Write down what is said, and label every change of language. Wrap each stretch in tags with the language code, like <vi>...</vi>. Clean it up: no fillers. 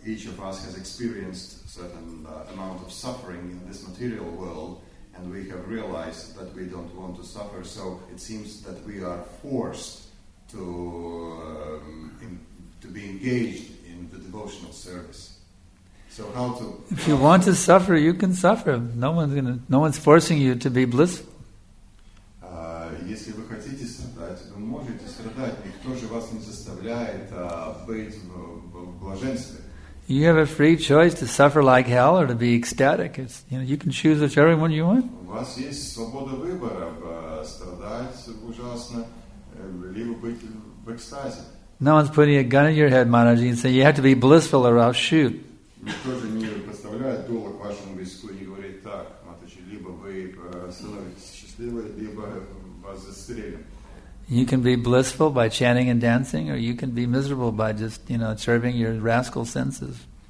<en>Each of us has experienced a certain amount of suffering in this material world, and we have realized that we don't want to suffer, so it seems that we are forced to be engaged in the devotional service. So how to? If you want to suffer, you can suffer. No one's forcing you to be blissful.</en> <ru>Если вы хотите страдать, вы можете страдать. Никто же вас не заставляет быть в блаженстве.</ru> <en>You have a free choice to suffer like hell or to be ecstatic. It's, you can choose whichever one you want.</en> <ru>У вас есть свобода выбора: страдать ужасно, либо быть в экстазе.</ru> <en>No one's putting a gun in your head, Manaji, and saying you have to be blissful or I'll shoot.</en> <ru>Никто же не подставляет дуло к вашему виску и не говорит так, Матачи, либо вы становитесь счастливы, либо вас застрелим.</ru> <en>You can be blissful by chanting and dancing, or you can be miserable by just, serving your rascal senses.</en>